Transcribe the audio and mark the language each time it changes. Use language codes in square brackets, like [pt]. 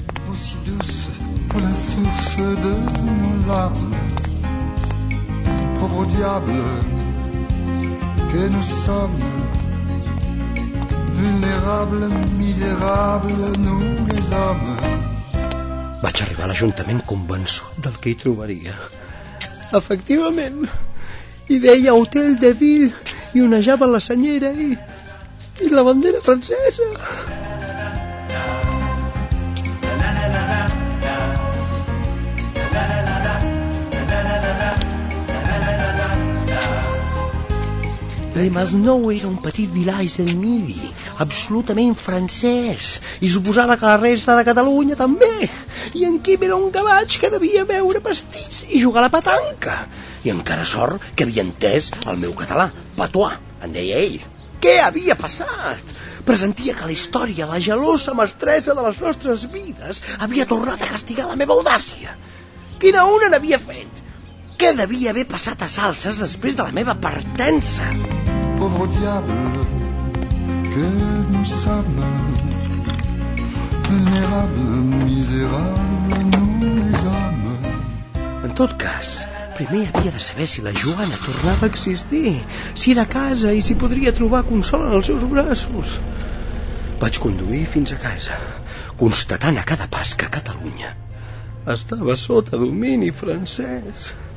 [fr] Aussi douce pour la source de mon larme, pauvre diable que nous sommes. Vulnerable, miserable, nous les hommes. [ca] Vaig arribar a l'Ajuntament convençut del que hi trobaria. Efectivament, hi deia Hotel de Ville i onejava la senyera i la bandera francesa. Le Masnou era un [fr] petit village [ca] del Midi, absolutament francès, i suposava que la resta de Catalunya també. I en Quim era un gavatx que devia beure pastís i jugar a la petanca. I encara sort que havia entès el meu català, patois, en deia ell. Què havia passat? Presentia que la història, la gelosa mestressa de les nostres vides, havia tornat a castigar la meva audàcia. Quina una n'havia fet? Què devia haver passat a Salses després de la meva partença? [fr] Pauvre diable, que nous sommes. Vulnerable, miserable, nous les hommes. [ca] En tot cas, primer havia de saber si la Joana tornava a existir, si era a casa i si podria trobar consol en els seus braços. Vaig conduir fins a casa, constatant a cada pas que Catalunya estava sota domini francès.